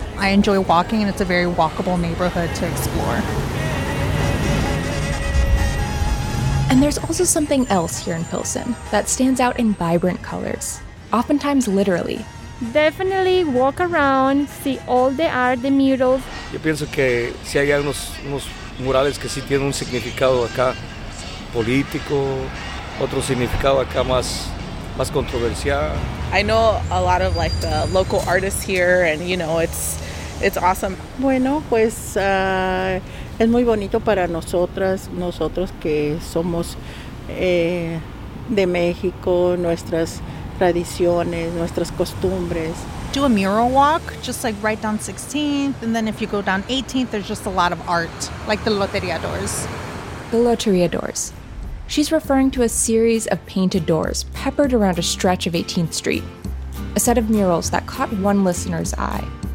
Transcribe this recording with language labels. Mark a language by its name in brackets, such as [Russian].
[English] I enjoy walking, and it's a very walkable neighborhood to explore. And there's also something else here in Pilsen that stands out in vibrant colors, oftentimes literally. Definitely walk around, see all the art, the murals. [Spanish] Yo pienso que si hay unos murales que sí tienen un significado acá político, otro significado acá más controversial. [English] I know a lot of like the local artists here, and you know it's awesome. [Spanish] Bueno, pues es muy bonito para nosotros que somos de México, nuestras tradiciones, nuestras costumbres. [English] Do a mural walk, just like right down 16th, and then if you go down 18th, there's just a lot of art, like the Loteria doors. The Loteria doors. She's referring to a series of painted doors peppered around a stretch of 18th Street, a set of murals that caught one listener's eye.